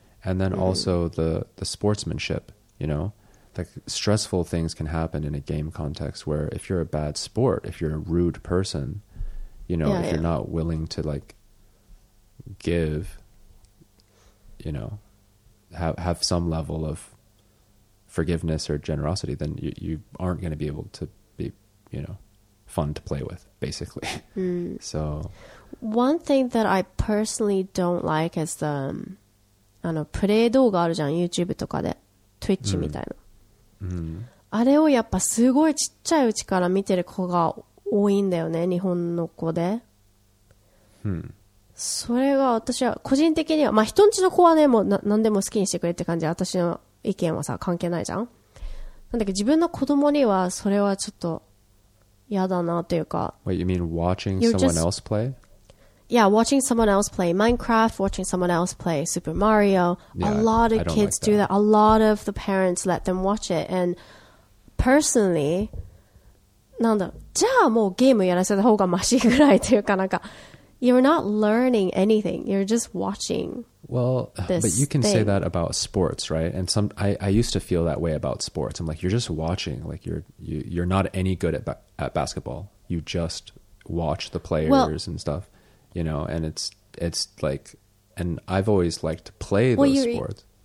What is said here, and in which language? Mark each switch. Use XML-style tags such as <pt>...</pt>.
<en>And then also the sportsmanship, you know, like stressful things can happen in a game context where if you're a bad sport, if you're a rude person, you know, you're not willing to like give, you know, have some level of forgiveness or generosity, then you aren't going to be able to be, you know, fun to play with, basically. So one thing that I personally don't like is the...</en> <ja>プレイ動画あるじゃん、 YouTube とかで Twitch みたいな、あれをやっぱすごいちっちゃいうちから見てる子が多いんだよね、日本の子で、それが私は個人的にはまあ人んちの子はねもう何でも好きにしてくれって感じ、私の意見はさ関係ないじゃん、なんだっけ、自分の子供にはそれはちょっと嫌だなというか。</ja> <en>Wait, you mean watching someone else play? Yeah, watching someone else play Minecraft, watching someone else play Super Mario. Yeah, a lot of kids like that. Do that. A lot of the parents let them watch it. And personally,</en> <ja>なんだ、じゃあもうゲームやらせた方がマシぐらいというか、なんか、</ja> <en>you're not learning anything. You're just watching. Well, but you can say that about sports, right? And some, I used to feel that way about sports. I'm like, you're just watching. Like, you're not any good at basketball. You just watch the players and stuff. You know, and it's like, and I've always liked to play those sports.</en>